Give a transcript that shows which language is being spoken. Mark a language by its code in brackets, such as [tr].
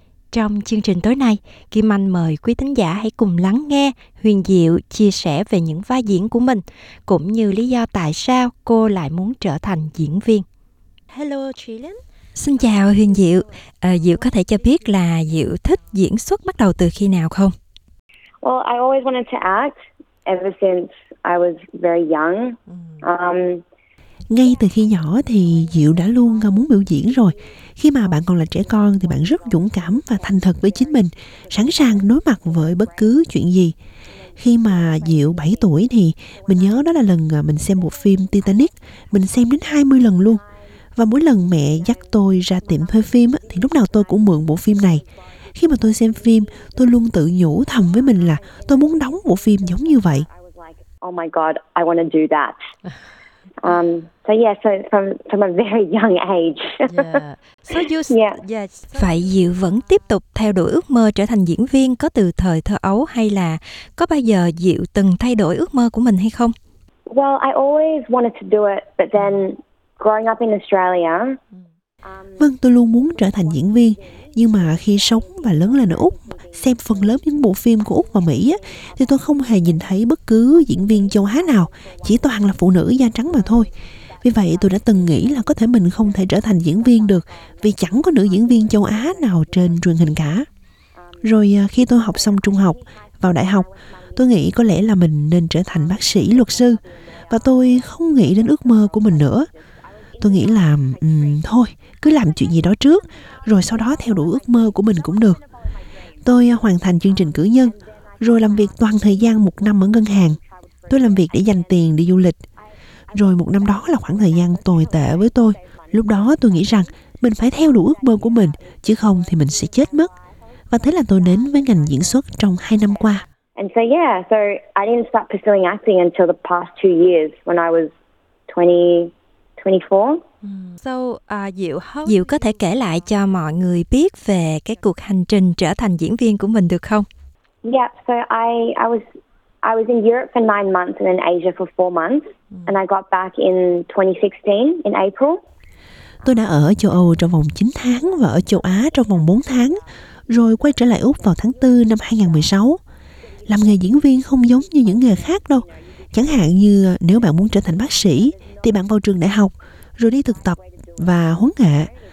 [vi] Trong chương trình tối nay, Kim Anh mời quý thính giả hãy cùng lắng nghe Huyền Diệu chia sẻ về những vai diễn của mình, cũng như lý do tại sao cô lại muốn trở thành diễn viên. [en] Hello, Trillian. [vi] Xin chào Huyền Diệu. Diệu có thể cho biết là Diệu thích diễn xuất bắt đầu từ khi nào không? [en] Well, I always wanted to act ever since I was very young. [vi] Ngay từ khi nhỏ thì Diệu đã luôn muốn biểu diễn rồi. Khi mà bạn còn là trẻ con thì bạn rất dũng cảm và thành thật với chính mình, sẵn sàng đối mặt với bất cứ chuyện gì. Khi mà Diệu 7 tuổi thì mình nhớ đó là lần mình xem bộ phim Titanic, mình xem đến 20 lần luôn. Và mỗi lần mẹ dắt tôi ra tiệm thuê phim thì lúc nào tôi cũng mượn bộ phim này. Khi mà tôi xem phim, tôi luôn tự nhủ thầm với mình là tôi muốn đóng bộ phim giống như vậy. [en] Oh my god, I want to do that. So from a very young age. [vi] Vậy Diệu vẫn tiếp tục theo đuổi ước mơ trở thành diễn viên có từ thời thơ ấu hay là có bao giờ Diệu từng thay đổi ước mơ của mình hay không? [en] Well, I always wanted to do it, but then growing up in Australia. [vi] Vâng, tôi luôn muốn trở thành diễn viên, nhưng mà khi sống và lớn lên ở Úc, xem phần lớn những bộ phim của Úc và Mỹ thì tôi không hề nhìn thấy bất cứ diễn viên châu Á nào, chỉ toàn là phụ nữ da trắng mà thôi. Vì vậy tôi đã từng nghĩ là có thể mình không thể trở thành diễn viên được vì chẳng có nữ diễn viên châu Á nào trên truyền hình cả. Rồi khi tôi học xong trung học, vào đại học, tôi nghĩ có lẽ là mình nên trở thành bác sĩ, luật sư, và tôi không nghĩ đến ước mơ của mình nữa. Tôi nghĩ là thôi, cứ làm chuyện gì đó trước, rồi sau đó theo đuổi ước mơ của mình cũng được. Tôi hoàn thành chương trình cử nhân, rồi làm việc toàn thời gian một năm ở ngân hàng. Tôi làm việc để dành tiền đi du lịch. Rồi một năm đó là khoảng thời gian tồi tệ với tôi. Lúc đó tôi nghĩ rằng mình phải theo đuổi ước mơ của mình, chứ không thì mình sẽ chết mất. Và thế là tôi đến với ngành diễn xuất trong 2 năm qua. [en] And so yeah, so I didn't start pursuing acting until the past 2 years when I was 24. [vi] Diệu có thể kể lại cho mọi người biết về cái cuộc hành trình trở thành diễn viên của mình được không? [en] Yeah, so I was in Europe for 9 months and in Asia for 4 months, and I got back in 2016 in April. [vi] Tôi đã ở châu Âu trong vòng 9 tháng và ở châu Á trong vòng 4 tháng, rồi quay trở lại Úc vào tháng 4 năm 2016. Làm nghề diễn viên không giống như những nghề khác đâu. Chẳng hạn như nếu bạn muốn trở thành bác sĩ thì bạn vào trường đại học rồi đi thực tập và huấn nghệ.